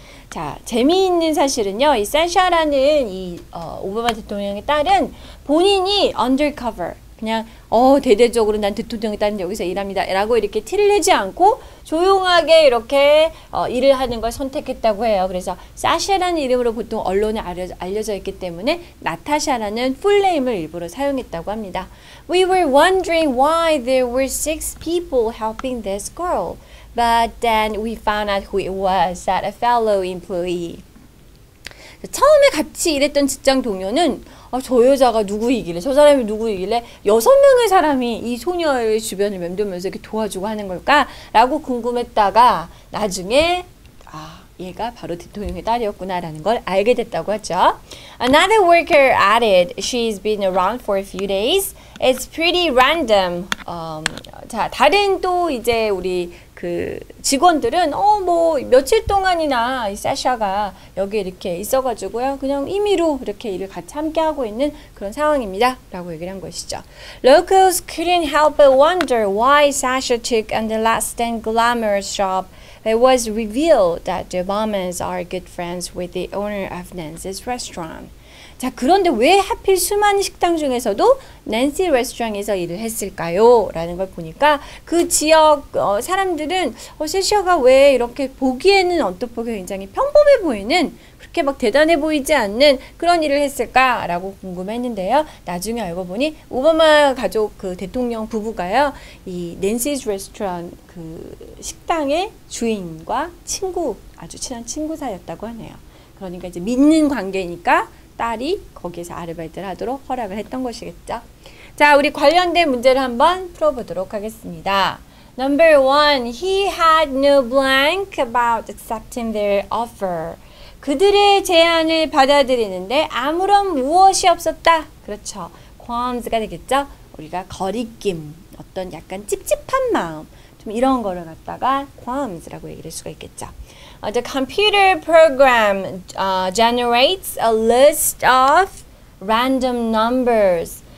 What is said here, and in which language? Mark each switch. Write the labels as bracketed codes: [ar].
[ko] 자, 재미있는 사실은요, 이 Sasha라는 이 오바마 대통령의 딸은 본인이 undercover, 그냥 대대적으로 난 대통령의 딸인데 여기서 일합니다 라고 이렇게 티를 내지 않고 조용하게 이렇게 일을 하는 걸 선택했다고 해요. 그래서 사샤라는 이름으로 보통 언론에 알려져 있기 때문에 나타샤라는 풀네임을 일부러 사용했다고 합니다. [en] We were wondering why there were six people helping this girl, but then we found out who it was, that a fellow employee. [ko] 처음에 같이 일했던 직장 동료는 저 여자가 누구이길래, 저 사람이 누구이길래 여섯 명의 사람이 이 소녀의 주변을 맴돌면서 이렇게 도와주고 하는 걸까? 라고 궁금했다가 나중에 얘가 바로 대통령의 딸이었구나 라는 걸 알게 됐다고 하죠. [en] Another worker added, she's been around for a few days. It's pretty random. [ko] 자, 다른 또 이제 우리 그 직원들은 며칠 동안이나 이 사샤가 여기 이렇게 있어가지고요. 그냥 임의로 이렇게 일을 같이 함께 하고 있는 그런 상황입니다. 라고 얘기를 한 것이죠. [en] Locals couldn't help but wonder why Sasha took on the last and glamorous job. It was revealed that the Obamas are good friends with the owner of Nancy's restaurant. [ko] 자, 그런데 왜 하필 수많은 식당 중에서도 낸시 레스토랑에서 일을 했을까요? 라는 걸 보니까 그 지역 사람들은 세셔가 왜 이렇게 보기에는 어떻게 굉장히 평범해 보이는 그렇게 막 대단해 보이지 않는 그런 일을 했을까? 라고 궁금했는데요. 나중에 알고 보니 오바마 가족 그 대통령 부부가요. 이 낸시즈 레스토랑 그 식당의 주인과 친구, 아주 친한 친구 사이였다고 하네요. 그러니까 이제 믿는 관계니까 딸이 거기에서 아르바이트를 하도록 허락을 했던 것이겠죠. 자, 우리 관련된 문제를 한번 풀어보도록 하겠습니다. [en] Number one, he had no blank about accepting their offer. [ko] 그들의 제안을 받아들이는데 아무런 무엇이 없었다. 그렇죠. qualms가 되겠죠. 우리가 거리낌, 어떤 약간 찝찝한 마음, 좀 이런 거를 갖다가 qualms라고 얘기를 할 수가 있겠죠. [en] The computer program generates a list of random numbers.